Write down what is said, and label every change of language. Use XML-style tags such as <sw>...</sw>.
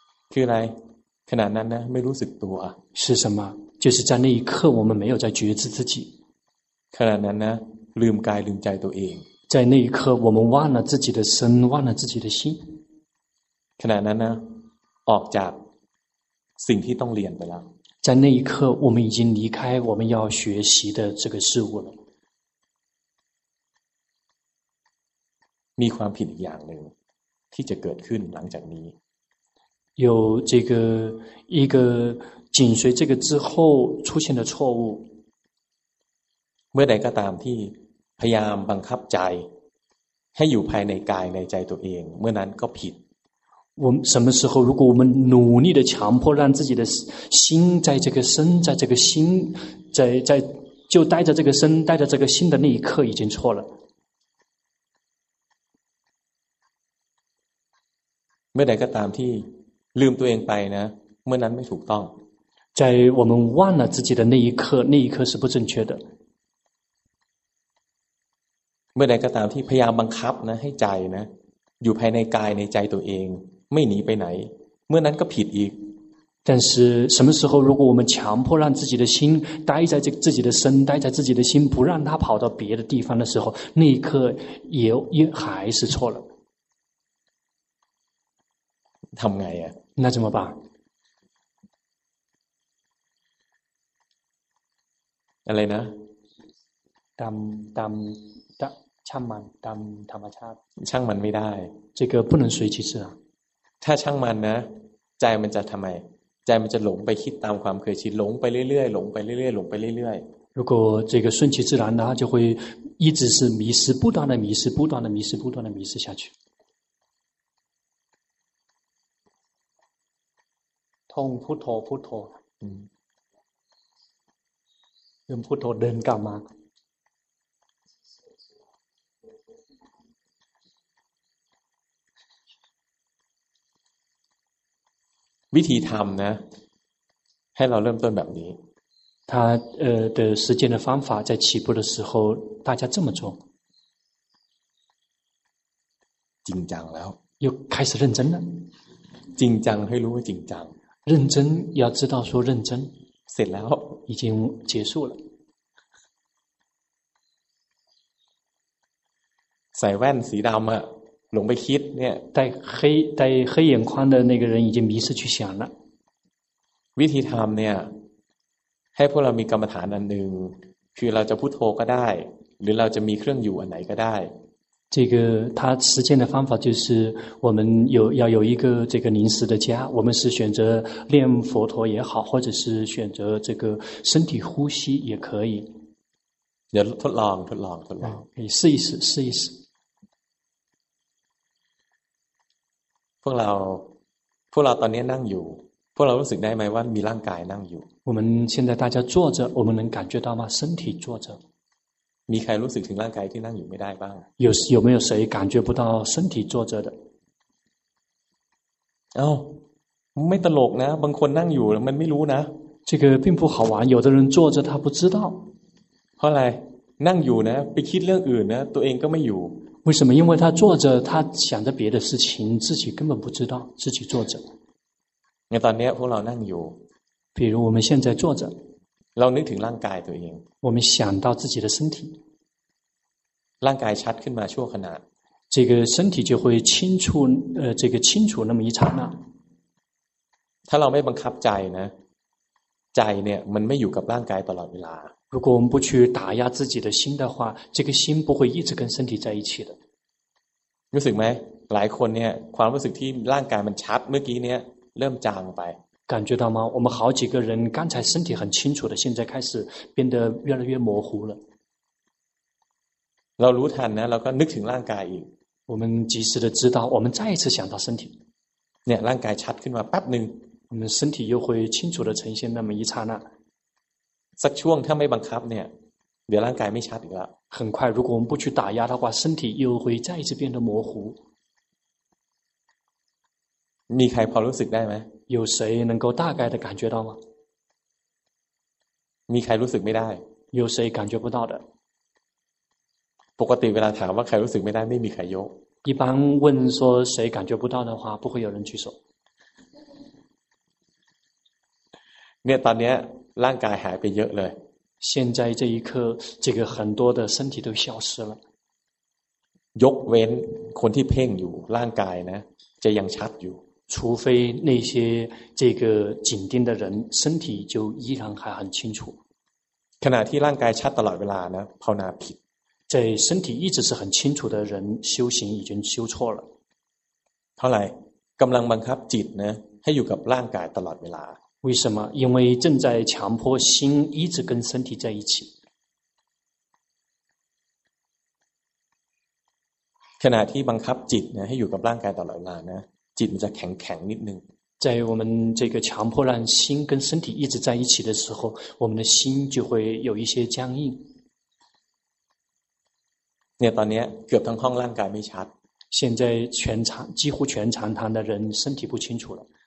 <zh>去来可能难呢没如此多啊是什么就是在那一刻我们没有在觉知自己可能难呢</zh> <th>ลืมกายลืมใจตัวเอง</th> <zh>在那一刻我们忘了自己的身忘了自己的心</zh> <th>ขณะนั้นนะออกจากสิ่งที่ต้องเรียนไปแล้ว</th> <zh>在那一刻我们已经离开我们要学习的这个事物了</zh> <th>มีความผิดอีกอย่างหนึ่งที่จะเกิดขึ้นหลังจากนี้</th> <zh>有这个一个紧随这个之后出现的错误</zh> <th>เมื่อใดก็ตามที่พยายามบังคับใจให้อยู่ภายในกายในใจตัวเองเมื่อนั้นก็ผิด</th> <zh>我们什么时候如果我们努力的强迫让自己的心在这个身在这个心在就带着这个身带着这个心的那一刻已经错了</zh> <th>เมื่อใดก็ตามที่ลืมตัวเองไปนะเมื่อนั้นไม่ถูกต้อง</th> <zh>在我们忘了自己的那一刻是不正确的</zh> <th>เมื่อใดก็ตามที่พยายามบังคับนะให้ใจนะอยู่ภายในกายในใจตัวเองไม่หนีไปไหนเมื่อนั้นก็ผิดอีก</th> <zh>但是什么时候如果我们强迫让自己的心待在这自己的身待在自己的心不让它跑到别的地方的时候那一刻也还是错了</zh> <th>ทำไงอ่ะ น่าจะมาบ้าง อะไรนะ ตามช่างมันตามธรรมชาติ ช่างมันไม่ได้</th> <zh>这个不能随其自然</zh> <th>ถ้าช่างมันนะใจมันจะทำไมใจมันจะหลงไปคิดตามความเคยชินหลงไปเรื่อยๆหลงไปเรื่อยๆหลงไปเรื่อย</th> <zh>ๆ如果这个顺其自然呢就会一直是迷失不断的迷失不断的迷失不断的迷失下去痛扑陀扑陀</zh> <th>เริ่มพูดโทรเดินกลับมา วิธีทำนะให้เราเริ่มต้นแบบนี้</th> <zh>他的时间的方法在起步的时候大家这么做</zh> <th>จริงจังแล้ว</th> <zh>又开始认真了</zh> <th>จริงจังให้รู้ว่าจริงจัง</th> <zh>认真要知道说认真</zh> <th>เสร็จแล้ว</th> <zh>已经结束了</zh> <th>ใส่แว่นสีดำอะหลงไปคิดเนี่ย</th> <zh>戴黑眼框的那个人已经迷失去想了</zh> <th>วิธีทำเนี่ยให้พวกเรามีกรรมฐานอันหนึ่งคือเราจะพุทโธก็ได้หรือเราจะมีเครื่องอยู่อันไหนก็ได้</th> <zh>这个他实践的方法就是我们有要有一个这个临时的家我们是选择念佛陀也好或者是选择这个身体呼吸也可以</zh> <th>เดี๋ยวทดลอง</th> <zh>คือ试一试</zh> <th>พวกเราตอนนี้นั่งอยู่พวกเรารู้สึกได้ไหมว่ามีร่างกายนั่งอยู่</th> <zh>我们现在大家坐着我们能感觉到吗身体坐着</zh> <th>มีใครรู้สึกถึงร่างกายที่นั่งอยู่ไม่ได้บ้าง</th> <zh>有没有谁感觉不到身体坐着的</zh> <th>เอ้าไม่ตลกนะบางคนนั่งอยู่มันไม่รู้นะ</th> <zh>这个并不好玩有的人坐着他不知道</zh> <th>เพราะอะไรนั่งอยู่นะไปคิดเรื่องอื่นนะตัวเองก็ไม่อยู่</th> <zh>为什么因为他坐着他想着别的事情自己根本不知道自己坐着</zh> <th>งั้นตอนนี้พวกเรานั่งอยู่</th> <zh>比如我们现在坐着</zh> <th>เรานึกถึงร่างกายตัวเอง</th> <zh>我们想到自己的身体</zh> <th>ร่างกายชัดขึ้นมาชั่วขณะ</th> <zh>这个身体就会清楚这个清楚那么一刹那</zh> <th>ถ้าเราไม่บังคับใจนะใจเนี่ยมันไม่อยู่กับร่างกายตลอดเวลา</th> <zh>如果我们不去打压自己的心的话，这个心不会一直跟身体在一起的。</zh> <th>รู้สึกไหม？ หลายคนเนี่ย，ความรู้สึกที่ร่างกายมันชัดเมื่อกี้เนี่ย，เริ่มจางไป。</th> <zh>感觉到吗？我们好几个人刚才身体很清楚的，现在开始变得越来越模糊了。</zh> <th>เรารู้ทันนะ，เราก็นึกถึงร่างกายอีก。</th> <zh>我们及时的知道，我们再一次想到身体。</zh> <th>เนี่ย，ร่างกายชัดขึ้นมาแป๊บนึง。</th> <zh>我们身体又会清楚的呈现那么一刹那。</zh> <th>สักช่วงถ้าไม่บังคับเนี่ยเดี๋ยวร่างกายไม่ชัดอีกแล้ว</th> <zh>很快如果我们不去打压的话身体又会再次变得模糊</zh> <th>มีใครพอรู้สึกได้ไหม</th> <zh>有谁能够大概的感觉到吗</zh> <th>มีใครรู้สึกไม่ได้</th> <zh>有谁感觉不到的</zh> <th>ปกติเวลาถามว่าใครรู้สึกไม่ได้ไม่มีใครยก</th> <zh>一般问说谁感觉不到的话不会有人举手</zh> <th>เนี่ยตอนเนี้ยร่างกายหายไปเยอะเลย</th> <zh>现在这一刻这个很多的身体都消失了</zh> <th>ยกเว้นคนที่เพ่งอยู่ร่างกายนะจะยังชัดอยู่</th> <zh>除非那些这个紧盯的人身体就依然还很清楚</zh> <th>ขณะที่ร่างกายชัดตลอดเวลานะภาวนาผิด</th> <zh>在身体一直是很清楚的人修行已经修错了</zh> <th>เท่าไหร่กำลังบังคับจิตนะให้อยู่กับร่างกายตลอดเวลา</th> <zh>为什么？因为正在强迫心一直跟身体在一起。</zh> <th>ขณะที่บังคับจิตนะให้อยู่กับร่างกายตลอดเวลานะจิตมันจะแข็งแข็งนิดนึง</th> <zh>在我们这个强迫让心跟身体一直在一起的时候，我们的心就会有一些僵硬。</zh> <th>เนี่ยตอนนี้เกือบทั้งห้องร่างกายไม่ชัด。</th> <zh>现在全场几乎全场堂的人身体不清楚了。</zh>